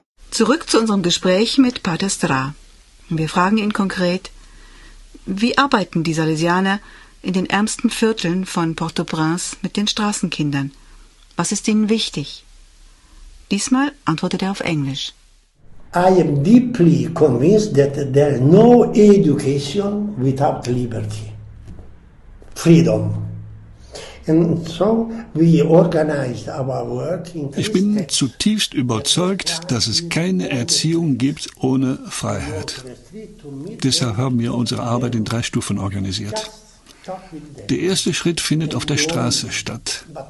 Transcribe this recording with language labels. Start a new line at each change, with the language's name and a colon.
German: Zurück zu unserem Gespräch mit Pater Stra. Wir fragen ihn konkret, wie arbeiten die Salesianer in den ärmsten Vierteln von Port-au-Prince mit den Straßenkindern? Was ist ihnen wichtig? Diesmal antwortet er auf Englisch.
English: I am deeply convinced that there is no education without liberty. Freedom.
German: Ich bin zutiefst überzeugt, dass es keine Erziehung gibt ohne Freiheit. Deshalb haben wir unsere Arbeit in drei Stufen organisiert. Der erste Schritt findet auf der Straße statt.